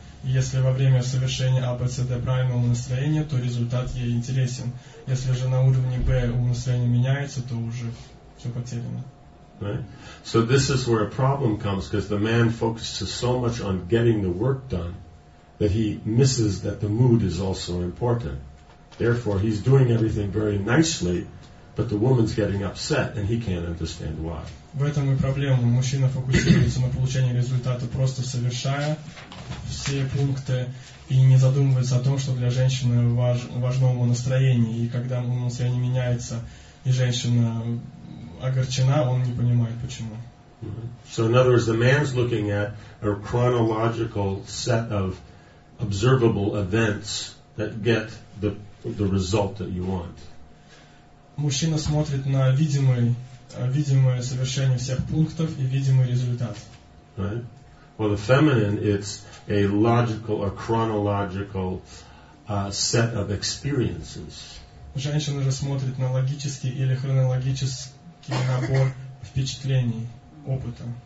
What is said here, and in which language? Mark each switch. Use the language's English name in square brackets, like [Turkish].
[Russian] Если во время совершения А, Б, С, Д правильного настроения, то результат ей интересен. Если же на уровне Б настроение меняется, то уже все потеряно. [English] Right? So this is where a problem comes, because the man focuses so much on getting the work done that he misses that the mood is also important. Therefore, he's doing everything very nicely, but the woman's getting upset and he can't understand why. [Russian] В этом и проблема. Мужчина фокусируется на получении результата, просто совершая все пункты, и не задумывается о том, что для женщины важно его настроение. И когда настроение меняется, и женщина огорчена, он не понимает, почему. [English] So in other words, the man's looking at a chronological set of observable events that get the result that you want. [Russian] Мужчина смотрит на видимое совершение всех пунктов и видимый результат. [English] Right? Well, the feminine, it's a logical or chronological set of experiences. [Russian] Женщина же смотрит на логический или хронологический набор впечатлений, опыта.